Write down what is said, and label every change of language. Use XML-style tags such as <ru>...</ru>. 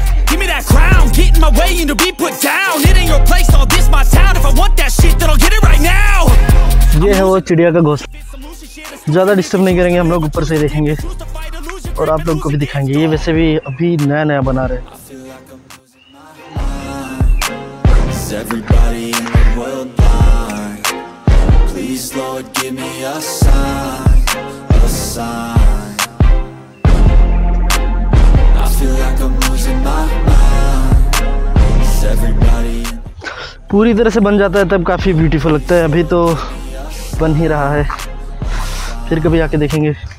<en>Give me that crown, get in my way and to be put down, it ain't your place, all this my town, if I want that shit then I'll get it right now।</en> <hi>ये है वो चिड़िया का घोंसला, ज्यादा disturb नहीं करेंगे हम लोग, ऊपर से देखेंगे और आप लोगों को भी दिखाएंगे। ये वैसे भी अभी नया नया बना रहे हैं। Everybody in the world blind, please Lord give me a sign, a sign, I feel like I'm losing my mind, is everybody in पूरी तरह से बन जाता है तब काफी ब्यूटीफुल लगता है, अभी तो बन ही रहा है, फिर कभी आके देखेंगे।</hi>